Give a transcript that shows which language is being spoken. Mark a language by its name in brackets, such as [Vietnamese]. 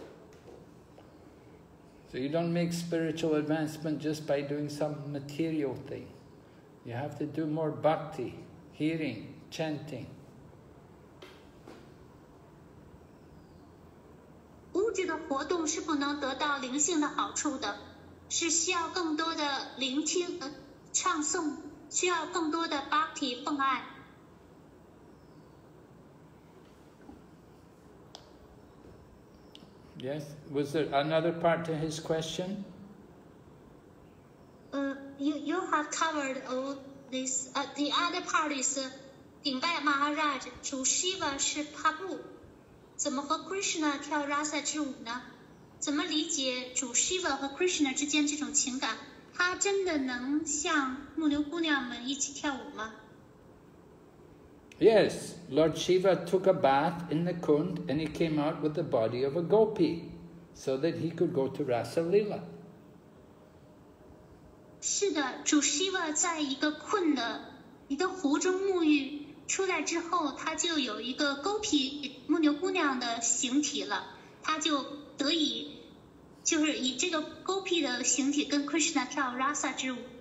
[English] So you don't make spiritual advancement just by doing some material thing. You have to do more bhakti, hearing, chanting. [Chinese] 物质的活动是不能得到灵性的好处的，是需要更多的聆听、唱诵，需要更多的 bhakti 奉爱。 [English] Yes, was there another part to his question? You have covered all this. The other part is Dimbai Maharaj, [Chinese] 主 Shiva 是 Prabhu, 怎么和 Krishna 跳 Rasa 之舞呢? 怎么理解主 Shiva 和 Krishna 之间这种情感? 他真的能像木牛姑娘们一起跳舞吗? [English] Yes, Lord Shiva took a bath in the Kund and he came out with the body of a gopi, so that he could go to Rasa Leela. [Chinese] 是的，主Shiva在一个困的，你的湖中沐浴，出来之后，他就有一个gopi木牛姑娘的形体了，他就得以，就是以这个gopi的形体跟 Krishna 跳 Rasa 之舞。